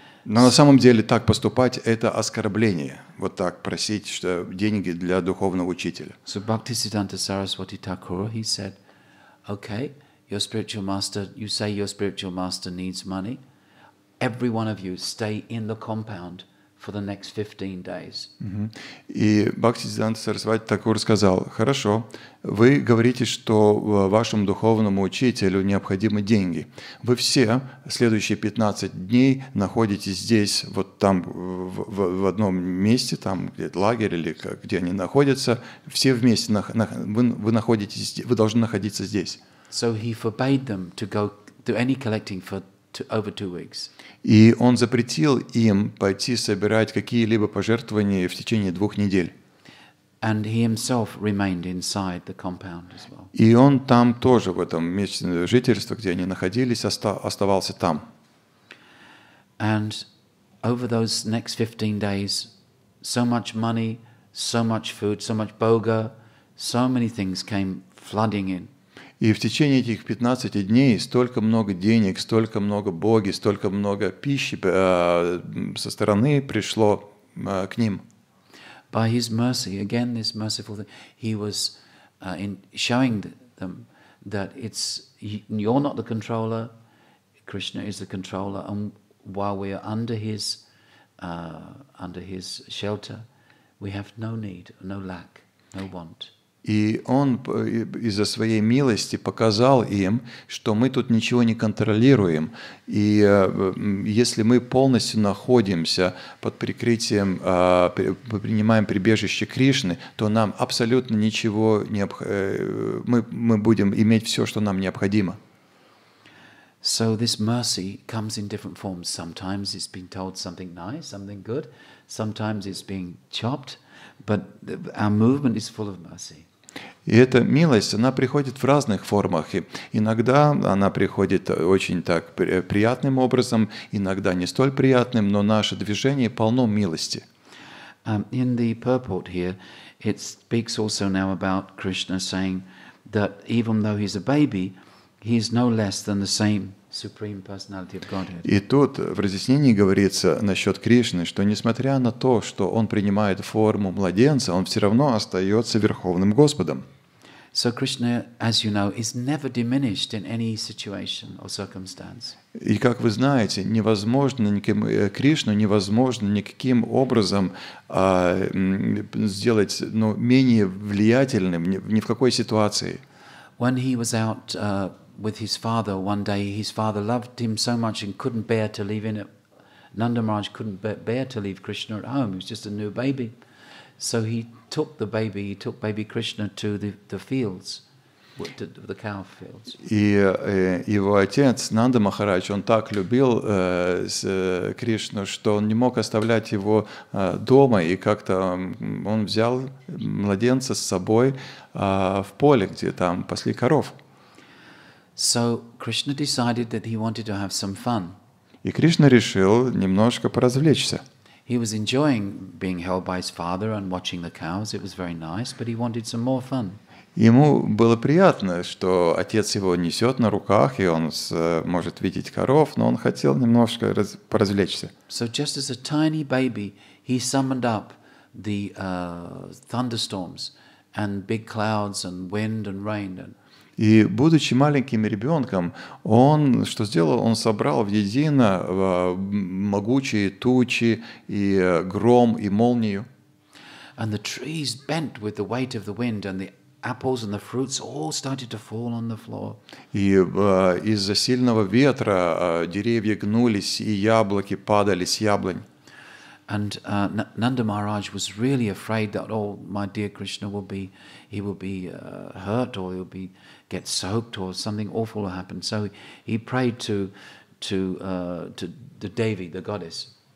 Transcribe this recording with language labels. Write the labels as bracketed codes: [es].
[ru] Но на самом деле так поступать – это оскорбление. Вот так просить что деньги для духовного учителя. [en] So Bhaktisiddhanta Saraswati Thakur, he said, okay, your spiritual master, you say your spiritual master needs money. Every one of you stay in the compound for the next 15 days. [ru] Mm-hmm. И Bhaktisiddhanta Saraswati Thakur сказал, хорошо, вы говорите, что вашему духовному учителю необходимы деньги. Вы все следующие 15 дней находитесь здесь, вот там, в одном месте, там где-то лагерь или как, где они находятся, все вместе, вы должны находиться здесь. [en] So he forbade them to go do any collecting for over 2 weeks. [ru] И он запретил им пойти собирать какие-либо пожертвования в течение 2 недель. [en] And he himself remained inside the compound as well. [ru] И он там тоже, в этом месте жительства, где они находились, оставался там. [en] And over those next 15 days, so much money, so much food, so much boga, so many things came flooding in. [ru] И в течение этих 15 дней столько много денег, столько много боги, столько много пищи со стороны пришло к ним. [en] By his mercy, again this merciful thing, he was in showing them that it's you're not the controller, Krishna is the controller, and while we are under his shelter, we have no need, no lack, no want. [ru] И он из-за своей милости показал им, что мы тут ничего не контролируем. И если мы полностью находимся под прикрытием, принимаем прибежище Кришны, то нам абсолютно ничего не... Мы будем иметь все, что нам необходимо. [en] So this mercy comes in different forms. Sometimes it's being told something nice, something good. Sometimes it's being chopped. But our movement is full of mercy. [ru] И эта милость, она приходит в разных формах. И иногда она приходит очень так приятным образом, иногда не столь приятным, но наше движение полно милости. [en] In the purport here, it speaks also now about Krishna saying that even though he's a baby, he's no less than the same Supreme Personality of Godhead. [ru] И тут в разъяснении говорится насчет Кришны, что несмотря на то, что он принимает форму младенца, он все равно остается Верховным Господом. [en] So Krishna, as you know, is never diminished in any situation or circumstance. [ru] И как вы знаете, невозможно никаким Кришну невозможно никаким образом сделать менее влиятельным ни в какой ситуации. [en] When he was out with his father one day, his father loved him so much and couldn't bear to leave in it. Nanda Maharaj couldn't bear to leave Krishna at home. He was just a new baby. So he took baby Krishna to the fields. What did the cow feel? [ru] И его отец Нанда Махарадж, он так любил Кришну, что он не мог оставлять его дома, и как-то он взял младенца с собой в поле, где там пасли коров. [en] So Krishna decided that he wanted to have some fun. [ru] И Кришна решил немножко поразвлечься. [en] He was enjoying being held by his father and watching the cows. It was very nice, but he wanted some more fun. [ru] Ему было приятно, что отец его несет на руках, и он может видеть коров, но он хотел немножко поразвлечься. [en] So just as a tiny baby, he summoned up the thunderstorms and big clouds and wind and rain. [ru] И будучи маленьким ребенком, он что сделал? Он собрал в едино могучие тучи и гром и молнию. [en] And the trees bent with the weight of the wind, and the apples and the fruits all started to fall on the floor. [ru] И из-за сильного ветра деревья гнулись, и яблоки падали с яблонь. [en] And Nanda Maharaj was really afraid that all my dear Krishna will be, he will be hurt, or he'll be get soaked, or something awful will happen. So he prayed to the Devi, the goddess.